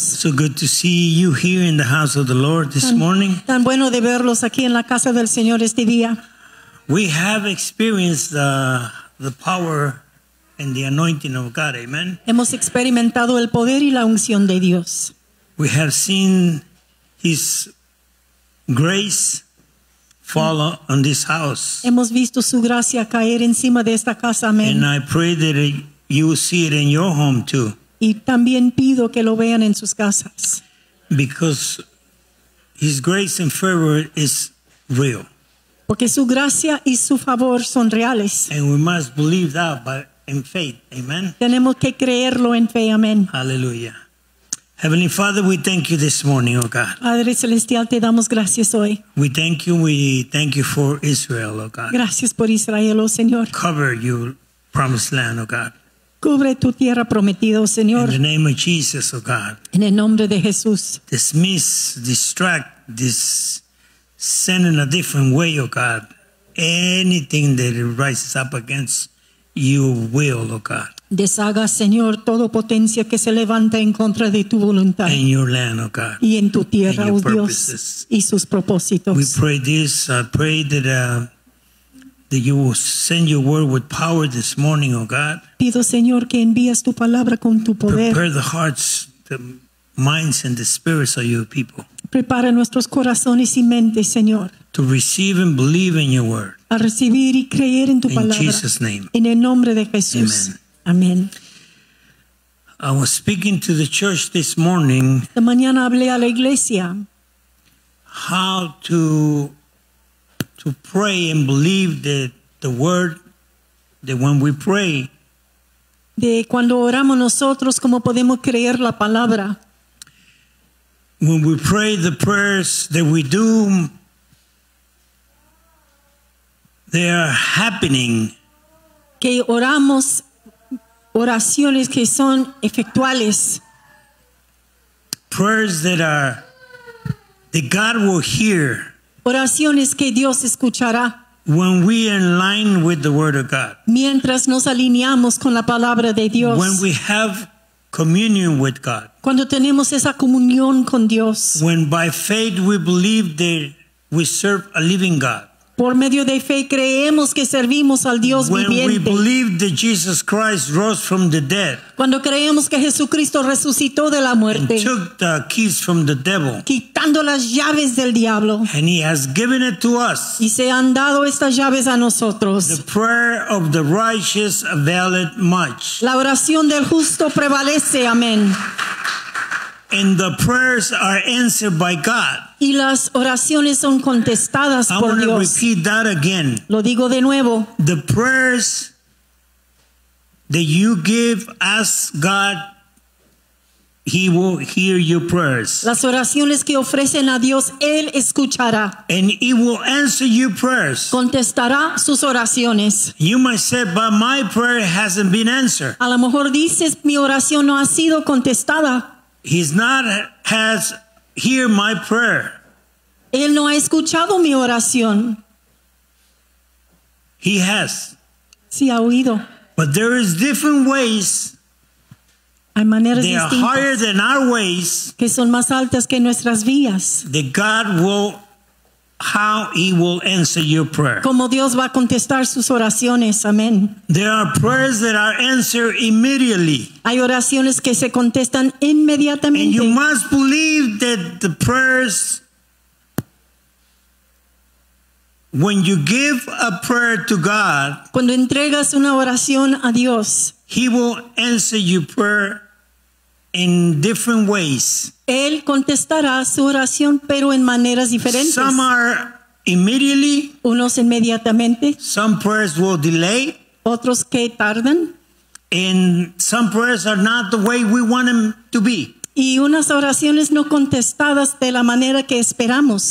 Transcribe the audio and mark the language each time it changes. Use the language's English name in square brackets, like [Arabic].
[English] So good to see you here in the house of the Lord this morning. [Spanish] Tan bueno de verlos aquí en la casa del Señor este día. [English] We have experienced the power and the anointing of God. Amen. [Spanish] Hemos experimentado el poder y la unción de Dios. [English] We have seen His grace fall on this house. [Spanish] Hemos visto su gracia caer encima de esta casa. Amen. [English] And I pray that you will see it in your home too. [Spanish] Y también pido que lo vean en sus casas. [English] Because His grace and favor is real. [Spanish] Porque su gracia y su favor son reales. [English] And we must believe that by in faith. Amen. [Spanish] Tenemos que creerlo en fe. Amen. [English] Hallelujah. Heavenly Father, we thank you this morning, oh God. [Spanish] Padre celestial, te damos gracias hoy. [English] We thank you for Israel, oh God. [Spanish] Gracias por Israel, oh Señor. [English] Cover your promised land, oh God. [Spanish] Cubre tu tierra prometida, oh Señor. [English] In the name of Jesus, oh God. [Spanish] En el nombre de Jesús. [English] Dismiss, distract, send in a different way, oh God. Anything that rises up against your will, oh God. [Spanish] Deshaga, Señor, todo potencia que se levanta en contra de tu voluntad. [English] In your land, oh God. [Spanish] Y en tu tierra, oh Dios, y sus propósitos. [English] We pray this, I pray that you will send your word with power this morning, oh God. [Spanish] Pido, Señor, que envías tu palabra con tu poder. [English] Prepare the hearts, the minds, and the spirits of your people. [Spanish] Prepara nuestros corazones y mentes, Señor. [English] To receive and believe in your word. [Spanish] A recibir y creer en tu palabra. [English] In Jesus' name. [Spanish] En el nombre de Jesús. [English] Amen. [Spanish] Amen. [English] I was speaking to the church this morning. [Spanish] De mañana hablé a la iglesia. [English] How to pray and believe the word that when we pray. [Spanish] De cuando oramos nosotros, cómo podemos creer la palabra. [English] When we pray the prayers that we do, they are happening. [Spanish] Que oramos oraciones que son efectuales. [English] Prayers that God will hear. [Spanish] Oraciones que Dios escuchará. [English] When we are in line with the Word of God. [Spanish] Mientras nos alineamos con la palabra de Dios. [English] When we have communion with God. [Spanish] Cuando tenemos esa comunión con Dios. [English] When by faith we believe that we serve a living God. [Spanish] Por medio de fe creemos que servimos al Dios [English] when [Spanish] viviente. [English] We believe that Jesus Christ rose from the dead. [Spanish] Cuando creemos que Jesucristo resucitó de la muerte. [English] And took the keys from the devil. [Spanish] Quitando las llaves del diablo. [English] And he has given it to us. [Spanish] Y se han dado estas llaves a nosotros. [English] The prayer of the righteous availeth much. [Spanish] La oración del justo prevalece, amén. [English] And the prayers are answered by God. [Spanish] Y las oraciones son contestadas por Dios. [English] I want to repeat that again. [Spanish] Lo digo de nuevo. [English] The prayers that you give, ask God, He will hear your prayers. [Spanish] Las oraciones que ofrecen a Dios, Él escuchará. [English] And He will answer your prayers. [Spanish] Contestará sus oraciones. [English] You might say, but my prayer hasn't been answered. [Spanish] A lo mejor dices, mi oración no ha sido contestada. [English] He's not has hear my prayer. [Spanish] Él no ha escuchado mi oración. [English] He has. [Spanish] Sí, ha oído. [English] But there is different ways. [Spanish] Hay maneras [English] they [Spanish] distintas. [English] They are higher than our ways. [Spanish] Que son más altas que nuestras vías. [English] That God will, how He will answer your prayer. [Spanish] Como Dios va a contestar sus oraciones. Amen. [English] There are prayers that are answered immediately. [Spanish] Hay oraciones que se contestan inmediatamente. [English] And you must believe that the prayers, when you give a prayer to God, [Spanish] cuando entregas una oración a Dios, [English] He will answer your prayer in different ways. [Spanish] Él contestará su oración, pero en maneras diferentes. [English] Some are immediately. [Spanish] Unos inmediatamente. [English] Some prayers will delay. [Spanish] Otros que tardan. [English] And some prayers are not the way we want them to be. [Spanish] Y unas oraciones no contestadas de la manera que esperamos.